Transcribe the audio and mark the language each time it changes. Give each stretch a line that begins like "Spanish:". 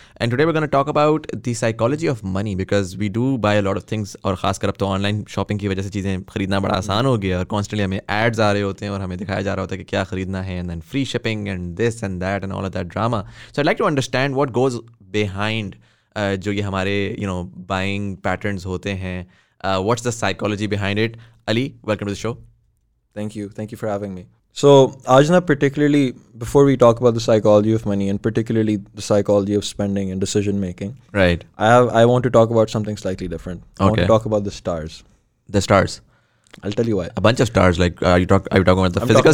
English: and today we are gonna talk about the psychology of money, because we do buy a lot of things,
Urdu: اور خاص کر اب تو on line shopping کی وجہ سے چیزیں خریدنا بڑا آسان ہو گیا, اور کانسٹنٹلی ہمیں ایڈز آ رہے ہوتے ہیں اور ہمیں دکھایا جا رہا ہوتا ہے کہ کیا خریدنا ہے,
English: And then free shipping and this and that and all of that drama. So I like to understand what goes behind
Urdu: جو یہ ہمارے
English: you know buying patterns
Urdu: ہوتے ہیں.
English: What's the psychology behind it? Ali, welcome to the show. Thank you for having me. So, Ajna, particularly before we talk about the psychology of money and particularly the psychology of spending and decision making, right, I want to talk about something slightly different. Okay. I want to talk about the stars. The stars. I'll tell you why. A bunch of stars, like are you talking about the physical